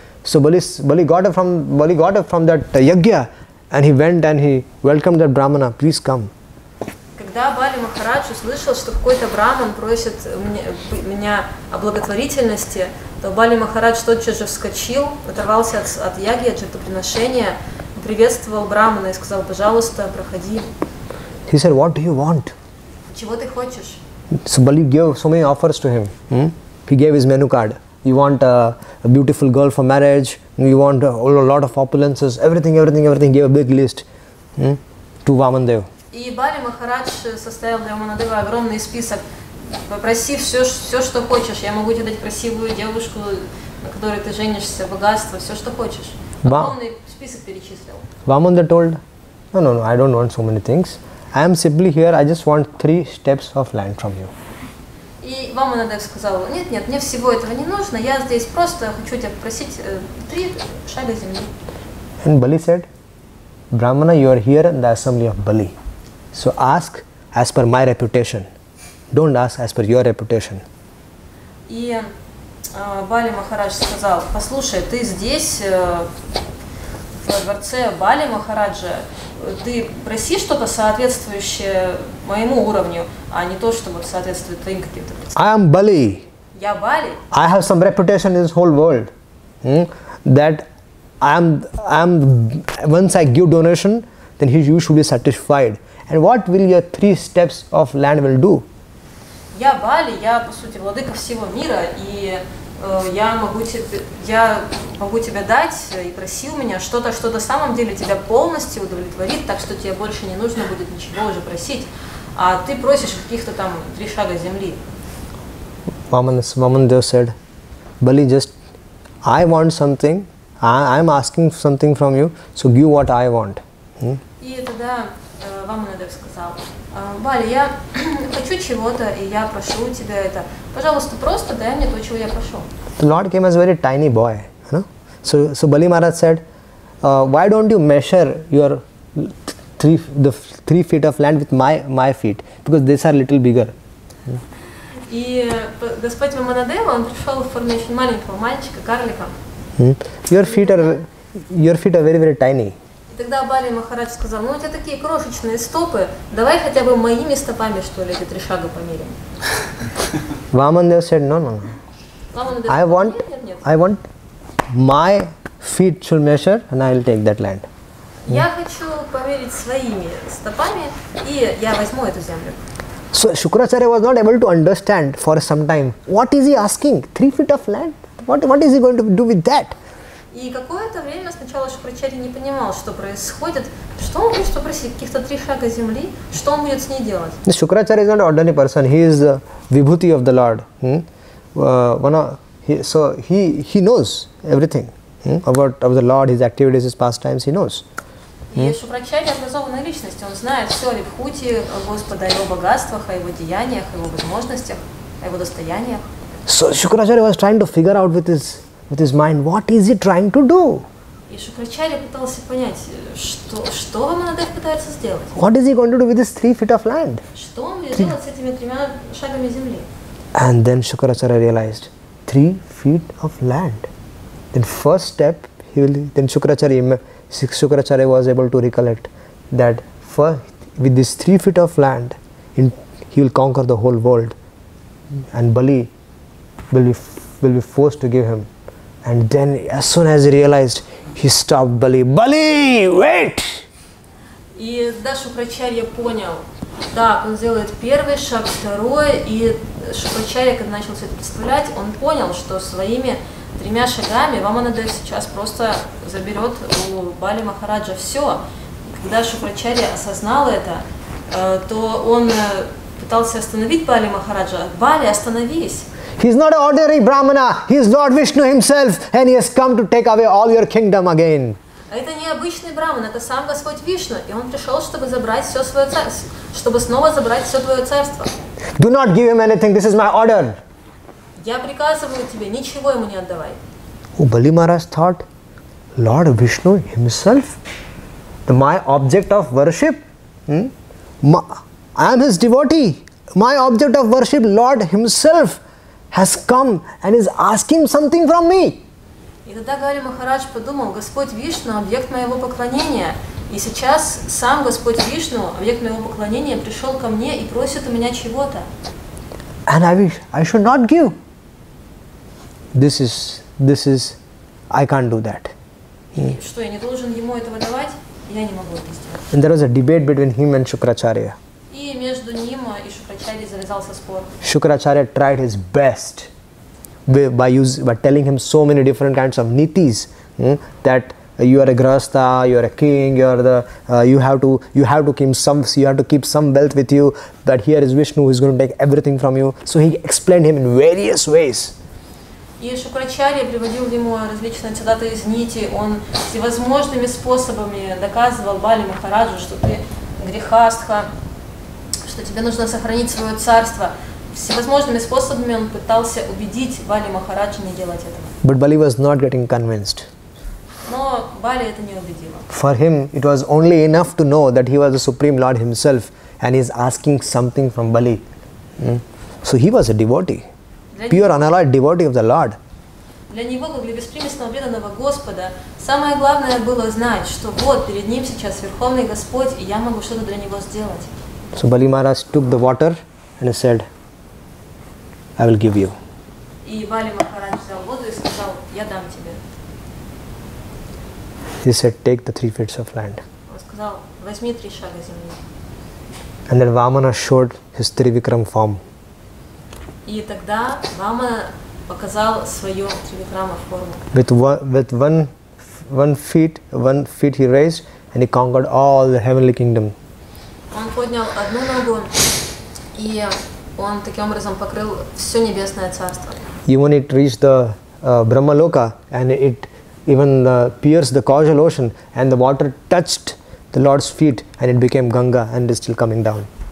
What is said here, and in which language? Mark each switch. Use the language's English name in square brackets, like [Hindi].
[English] So Bali got it from that yagya, and he went and he welcomed that Brahmana, please come. [Russian] Когда Бали Махарадж услышал, что какой-то Брахман просит меня о благотворительности, то Бали Махарадж тотчас же вскочил, оторвался от ягья, от жертвоприношения, приветствовал Брахмана и сказал, пожалуйста, проходи. [English] He said, what do you want? [Russian] Чего ты хочешь? [English] So Bali gave so many offers to him. He gave his menu card. You want a beautiful girl for marriage. You want a lot of opulences. Everything. Gave a big list to Vamandev. [Russian] И Бали Махарадж составил для Ваманадева огромный список. Попроси все, что хочешь. Я могу тебе дать красивую девушку, на которой ты женишься, богатство, все, что хочешь. Огромный список перечислил. [English] Vamandev told, no, I don't want so many things. I am simply here, I just want 3 steps of land from you. [Russian] И Ваманадев сказал, нет, мне всего этого не нужно, я здесь просто хочу тебя попросить 3 шага земли. [English] And Bali said, Brahmana, you are here in the assembly of Bali. So ask as per my reputation. Don't ask as per your reputation. [Russian] И Бали Махарадж сказал, послушай, ты здесь... В дворце Бали Махараджа ты проси что-то соответствующее моему уровню, а не то, что вот соответствует твоим каким-то представлениям. [English] I am Bali. [Russian] Я Бали. [English] I have some reputation in this whole world. That I am once I give donation, then you should be satisfied. And what will your 3 steps of land will do? [Russian] Я Бали, я по сути владыка всего мира и. Я могу тебе дать и проси у меня что-то на самом деле тебя полностью удовлетворит, так что тебе больше не нужно будет ничего уже просить, а ты просишь каких-то там 3 шага земли. [English] Vamandev said, Bali, just I want something, I'm asking something from you, so give what I want. [Russian] И тогда Ваманадев сказал, Бали, я хочу чего-то и я прошу тебя это. Пожалуйста, просто дай мне то, чего я прошу. [English] The Lord came as a very tiny boy, you know. So Bali Maharaj said, why don't you measure your three feet of land with my feet? Because these are little bigger. [Russian] И Господь Ваманадева, он пришел в форме очень маленького мальчика, карлика. [English] Your feet are very, very tiny. [Russian] И тогда Бали Махарадж сказал, ну у тебя такие крошечные стопы, давай хотя бы моими стопами, что ли, эти 3 шага померим. [English] Vamandev said, no. I want my feet should measure and I'll take that land. [Russian] Я хочу померить своими стопами и я возьму эту землю. [English] So Shukracharya was not able to understand for some time. What is he asking? 3 feet of land? What is he going to do with that? [Russian] И какое-то время сначала Шукрачарья не понимал, что происходит. Что он хочет попросить? Каких-то 3 шага земли? Что он будет с ней делать? [English] Shukracharya is not an ordinary person. He is a vibhuti of the Lord. He knows everything about the Lord, his activities, his pastimes, he knows. [Russian] Есть Шупрачарья образованная личность, он знает все о Вибхути Господа, о его богатствах, о его деяниях, о его возможностях, о его достояниях. [English] So Shukracharya was trying to figure out with his mind what is he trying to do. [Russian] И Шукрачарья пытался понять, что Аманадев пытается сделать. [English] What is he going to do with this 3 feet of land? [Russian] Что он будет делать с этими тремя шагами земли? [English] And then Shukracharya realized 3 feet of land. Then first step he will then Shukracharya was able to recollect that first with this 3 feet of land he will conquer the whole world and Bali will be forced to give him. And then as soon as he realized, he stopped Bali. Bali, wait! [Russian] И да, Шукрачарья понял. Так, он сделает первый шаг, второй, и Шукрачарья, когда начал все это представлять, он понял, что своими тремя шагами Ваманадев сейчас просто заберет у Бали Махараджа все. Когда Шукрачарья осознал это, то он пытался остановить Бали Махараджа. Бали, остановись! [English] He's not an ordinary Brahmana, he's Lord Vishnu himself, and he has come to take away all your kingdom again. [Russian] Это не обычный Брахман, это сам Господь Вишну, и он пришел, чтобы забрать все свое царство, чтобы снова забрать все твое царство. [English] Do not give him anything, this is my order. [Russian] Я приказываю тебе, ничего ему не отдавай. [English] Бали Махарадж thought, Lord Vishnu himself, my object of worship, I am his devotee, my object of worship, Lord himself, has come and is asking something from me. [Russian] И тогда Бали Махарадж подумал, Господь Вишну, объект моего поклонения, и сейчас сам Господь Вишну, объект моего поклонения, пришел ко мне и просит у меня чего-то. [English] And I should not give. This is, I can't do that. [Russian] Что, я не должен ему этого давать? Я не могу это сделать. [English] And there was a debate between him and Shukracharya. [Russian] И между ним и Шукрачарьей завязался спор. [English] Shukracharya tried his best. By telling him so many different kinds of nitis, that you are a grahastha, you are a king, you have to keep some wealth with you. But here is Vishnu who is going to take everything from you. So he explained him in various ways. [Russian] И Шукрачарья приводил ему различные цитаты из нити. Он всевозможными способами доказывал Бали Махараджу, что ты грехастха, что тебе нужно сохранить свое царство. Всевозможными способами он пытался убедить Бали Махараджа не делать этого. [English] But Bali was not getting convinced. [Russian] Но Бали это не убедило. [English] For him, it was only enough to know that he was the Supreme Lord himself and he is asking something from Bali. So he was a devotee. Pure unalloyed devotee of the Lord. [Russian] Для него, как для беспримесного преданного Господа, самое главное было знать, что вот перед ним сейчас Верховный Господь, и я могу что-то для него сделать. [English] So Bali Maharaj took the water and he said, I will give you. [Russian] И Бали Махарадж взял воду и сказал, я дам тебе. [English] He said, take the 3 feet of land. [Russian] Он сказал, возьми 3 шага земли. [English] And then Vamana showed his Trivikram form. [Russian] И тогда Вамана показал свою Тривикрама форму. [English] With one feet he raised and he conquered all the heavenly kingdom. [Russian] Он поднял одну ногу и он таким образом покрыл все небесное царство. [English] Even it reached the Brahmaloka and it even pierced the causal ocean and the water touched the Lord's feet and it became Ganga and is still coming down.